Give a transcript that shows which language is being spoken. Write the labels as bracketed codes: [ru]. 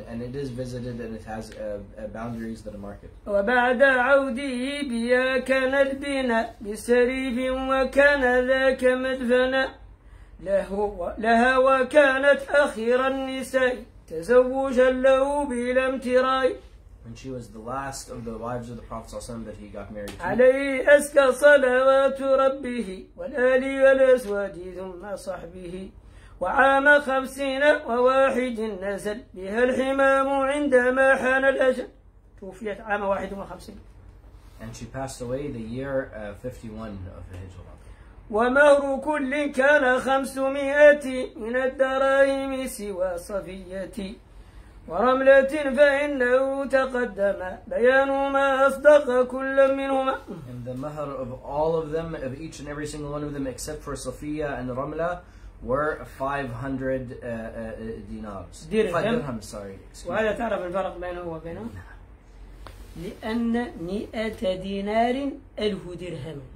[en] it is visited, and it has boundaries that are marked. [ar] وبعد عودي بيا كان البناء بسريب وكان ذاك مدفنا لها وكانت أخير النساء تزوجا له بلا امتراء. [en] And she was the last of the wives of the Prophet ﷺ that he got married to. [ar] عليه أزكى صلوات ربه والآل والأزواج ثم صحبه وعام 51 نزل بها الحمام عندما حان الأجل توفيت عام 51. [en] And she passed away the year 51 of the Hijrah. [ar] ومهر كل كان 500 من الدراهم سوى صفيتي ورملة فإنه تقدم بيان ما أصدق كل منهما. [en] And the mahr of all of them, of each and every single one of them, except for Safiya and Ramla, were 500 dinars. Dirham, sorry. [ar] وهذا تعرف الفرق بينه وبينه؟ لأن مئة دينار ألف درهم.